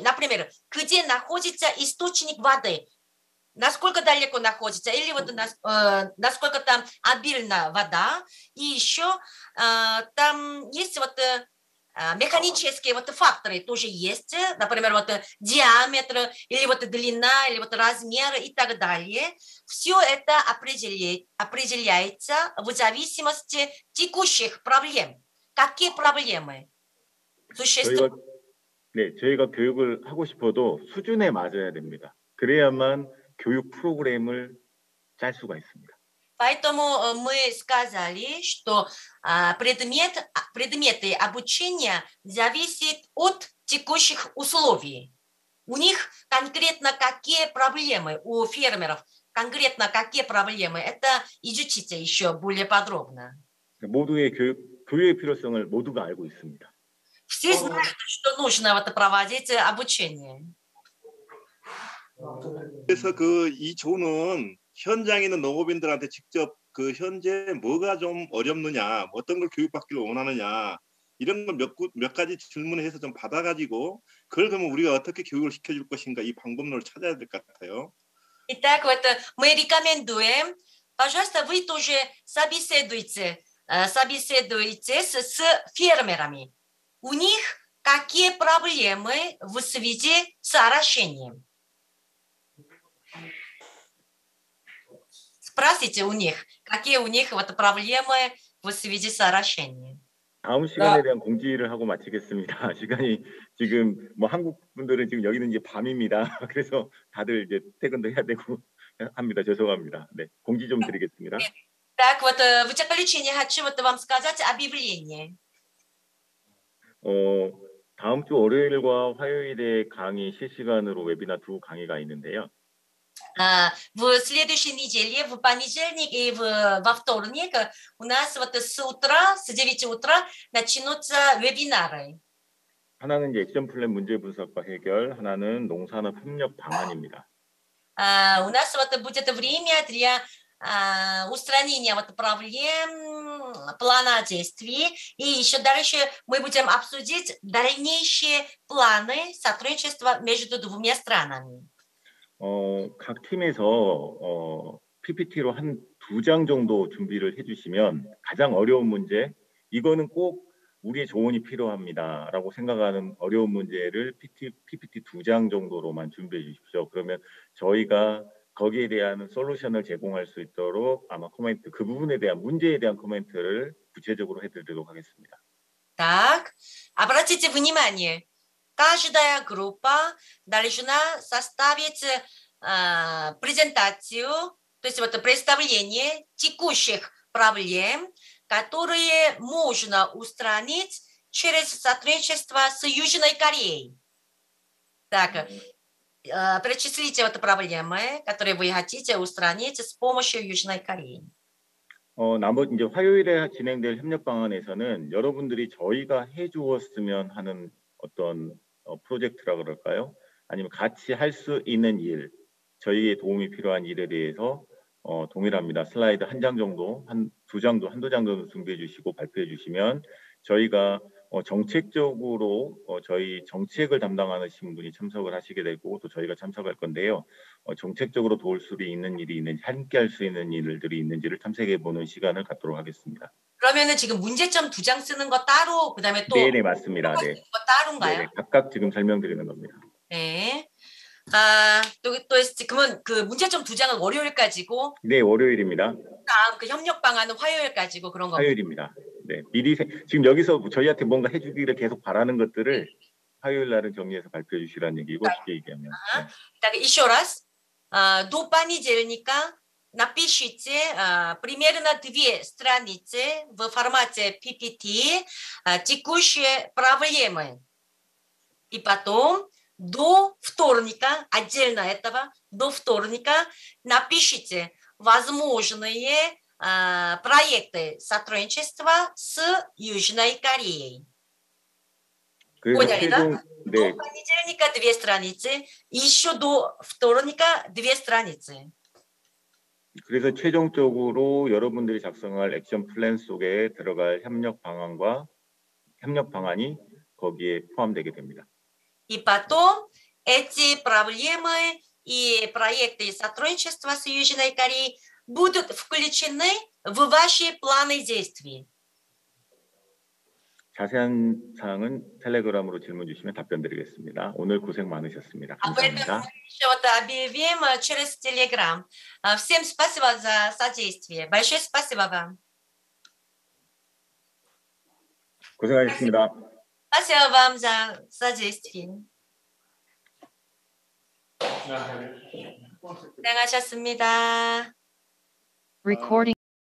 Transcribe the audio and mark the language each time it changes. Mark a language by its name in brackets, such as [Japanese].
[Russian] Например, где находится источник воды. Насколько далеко находится, или вот насколько там обильна вода, и еще там есть вот механические вот факторы тоже есть, например, вот диаметр, или вот длина, или вот размер и так далее. Все это определяется в зависимости от текущих проблем. Какие проблемы существуют? [Korean] 네, 저희가 교육을 하고 싶어도 수준에 맞아야 됩니다. 그래야만 교육 프로그램을 짤 수가 있습니다. [Russian] Поэтому мы сказали, что предметы обучения зависит от текущих условий. У них конкретно какие проблемы у фермеров? Конкретно какие проблемы? Это изучите еще более подробно. [Korean] 모두의 교육의 필요성을 모두가 알고 있습니다. [Russian] Все знают, что нужно вот проводить обучение. [Korean] 그래서 그 이 조는 현장에 있는 농업인들한테 직접 그 현재 뭐가 좀 어렵느냐, 어떤 걸 교육받기를 원하느냐 이런 걸 몇 가지 질문을 해서 좀 받아가지고 그걸 그러면 우리가 어떻게 교육을 시켜줄 것인가 이 방법론을 찾아야 될 것 같아요. [Russian] Итак, вот мы рекомендуем, пожалуйста, вы тоже собеседуйте с фермерами. У них какие проблемы в связи с орошением? Спросите у них, какие у них вот проблемы в связи с орошением. [Korean] 다음 시간에 대한 공지를 하고 마치겠습니다. 시간이 지금 뭐 한국 분들은 지금 여기는 이제 밤입니다. 그래서 다들 이제 퇴근도 해야 되고 합니다. 죄송합니다. 네, 공지 좀 드리겠습니다. [Russian] Так вот, в заключение хочу вот вам сказать объявление. [Korean] 다음 주 월요일과 화요일에 강의 실시간으로 웨비나 두 강의가 있는데요. [Russian] В следующей неделе, в понедельник и во вторник у нас вот с утра, с 9 утра начнутся вебинары. [Korean] 하나는 이제 액션 플랜 문제 분석과 해결, 하나는 농산업 협력 방안입니다. [Russian] У нас вот будет время для устранения вот проблем, плана действий, и еще дальше мы будем обсудить дальнейшие планы сотрудничества между двумя странами. [Korean] 각 팀에서 PPT로 한 두 장 정도 준비를 해주시면 가장 어려운 문제, 이거는 꼭 우리의 조언이 필요합니다라고 생각하는 어려운 문제를 PPT 두 장 정도로만 준비해 주십시오. 그러면 저희가 거기에 대한 솔루션을 제공할 수 있도록 아마 코멘트, 그 부분에 대한 문제에 대한 코멘트를 구체적으로 해드리도록 하겠습니다. [Russian] 딱, обратите внимание. Каждая группа должна составить презентацию, то есть вот представление текущих проблем, которые можно устранить через сотрудничество с Южной Кореей. Так, перечислите вот проблемы, которые вы хотите устранить с помощью Южной Кореи. [Korean] 나머지 이제 화요일에 진행될 협력 방안에서는 여러분들이 저희가 해주었으면 하는 어떤 프로젝트라 그럴까요? 아니면 같이 할 수 있는 일, 저희의 도움이 필요한 일에 대해서 동일합니다. 슬라이드 한 장 정도, 한 두 장도, 한두 장 정도 준비해 주시고 발표해 주시면 저희가 정책적으로 저희 정책을 담당하시는 분이 참석을 하시게 되고 또 저희가 참석할 건데요. 정책적으로 도울 수 있는 일이 있는지 함께할 수 있는 일들이 있는지를 탐색해보는 시간을 갖도록 하겠습니다. 그러면은 지금 문제점 두 장 쓰는 거 따로 그다음에 또 네네 맞습니다. 네. 거 따로인가요? 네네, 각각 지금 설명드리는 겁니다. 네. 아, 또 그러면 그 문제점 두 장은 월요일까지고? 네, 월요일입니다. 다음 그 협력 방안은 화요일까지고 그런 거. 화요일입니다. 네, 미리 지금 여기서 저희한테 뭔가 해주기를 계속 바라는 것들을 화요일 날은 정리해서 발표해 주시라는 얘기고 쉽게 얘기하면. 아, 네. [Russian] 이쇼라스, 도 빠니 젤니까 나피시체 프리메르나 드비에 스트라니체 в формате PPT текущие проблемы и потом до вторника, отдельно этого, до вторника напишите возможные проекты сотрудничества с Южной Кореей. 그 поняли, да? [Korean] 네. [Russian] До понедельника две страницы, еще до вторника две страницы. [Korean] 그래서 최종적으로 여러분들이 작성할 액션 플랜 속에 들어갈 협력 방안과 협력 방안이 거기에 포함되게 됩니다. [Russian] И потом эти проблемы и проекты сотрудничества с Южной Кореей будут включены в ваши планы действий. [Korean] 자세한 사항은 텔레그램으로 질문 주시면 답변드리겠습니다. 오늘 고생 많으셨습니다. 감사합니다. [Russian] 저도 объявим через Telegram. Всем спасибо за содействие. Большое спасибо вам. [Korean] 고생하셨습니다. [Russian] Спасибо вам за содействие. [Korean] 고생하셨습니다. Recording.